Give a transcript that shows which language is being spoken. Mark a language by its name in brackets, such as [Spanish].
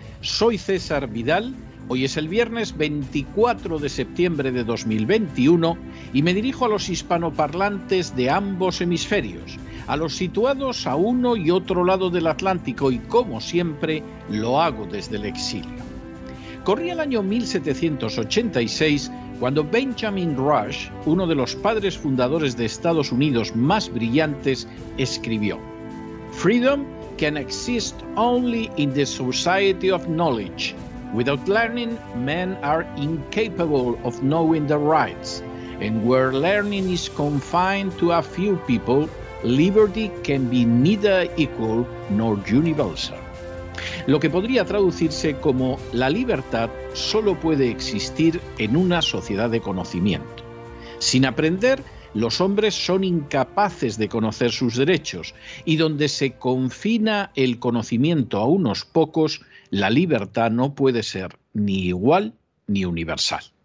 [Spanish] Soy César Vidal, hoy es el viernes 24 de septiembre de 2021 y me dirijo a los hispanoparlantes de ambos hemisferios, a los situados a uno y otro lado del Atlántico, y como siempre, lo hago desde el exilio. Corría el año 1786 cuando Benjamin Rush, uno de los padres fundadores de Estados Unidos más brillantes, escribió: [English] "Freedom can exist only in the society of knowledge. Without learning, men are incapable of knowing their rights. And where learning is confined to a few people, liberty can be neither equal nor universal." [Spanish] Lo que podría traducirse como: la libertad solo puede existir en una sociedad de conocimiento. Sin aprender, los hombres son incapaces de conocer sus derechos, y donde se confina el conocimiento a unos pocos, la libertad no puede ser ni igual ni universal.